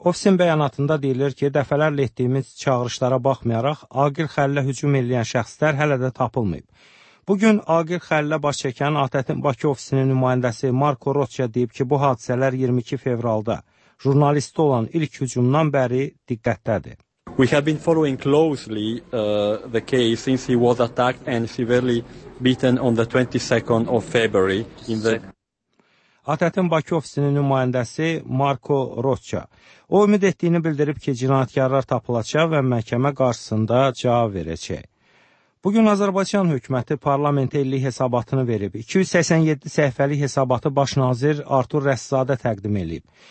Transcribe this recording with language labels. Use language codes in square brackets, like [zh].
[az] Ofisin bəyanatında deyilir ki, dəfələrlə etdiyimiz çağırışlara baxmayaraq, Aqil Xəlilə hücum edən şəxslər hələ də tapılmayıb. Bugün Aqil Xəlilə baş çəkən ATƏT-in Bakı ofisinin nümayəndəsi Marko Rocha deyib ki, bu hadisələr 22 fevralda jurnalistdə olan ilk hücumdan bəri diqqətdədir. [en] We have been following closely the case since he was attacked and severely beaten on the 22nd of February in the... [az] ATƏT-in Bakı ofisinin nümayəndəsi Marko Rocha. O, ümid etdiyini bildirib ki, cinayətkarlar tapılacaq və məhkəmə qarşısında cavab verəcək. Bugün Azərbaycan hökuməti parlamentə illik hesabatını verib. 287 səhifəlik hesabatı Başnazir Artur Rəssizadə təqdim edib.